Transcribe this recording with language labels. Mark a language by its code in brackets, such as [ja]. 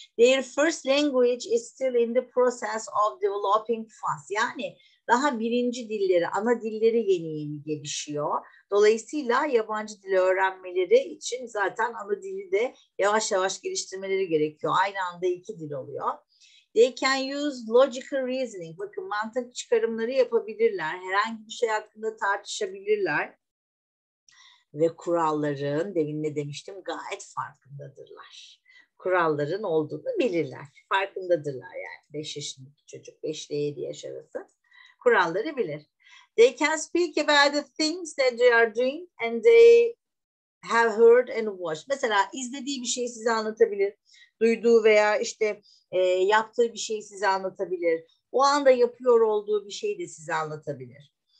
[en] Their first language is still in the process of developing fast. [tr] Yani daha birinci dilleri, ana dilleri yeni yeni gelişiyor. Dolayısıyla yabancı dili öğrenmeleri için zaten ana dili de yavaş yavaş geliştirmeleri gerekiyor. Aynı anda iki dil oluyor. [en] They can use logical reasoning. [tr] Bakın mantık çıkarımları yapabilirler. Herhangi bir şey hakkında tartışabilirler. Ve kuralların, demin ne demiştim, gayet farkındadırlar. Kuralların olduğunu bilirler. Farkındadırlar yani. 5 yaşındaki çocuk, 5 ile 7 yaş arası. Kuralları bilir. [en] They can speak about the things that they are doing and they have heard and watched. [tr] Mesela izlediği bir şeyi size anlatabilir. Duyduğu veya işte yaptığı bir şeyi size anlatabilir. O anda yapıyor olduğu bir şeyi de size anlatabilir.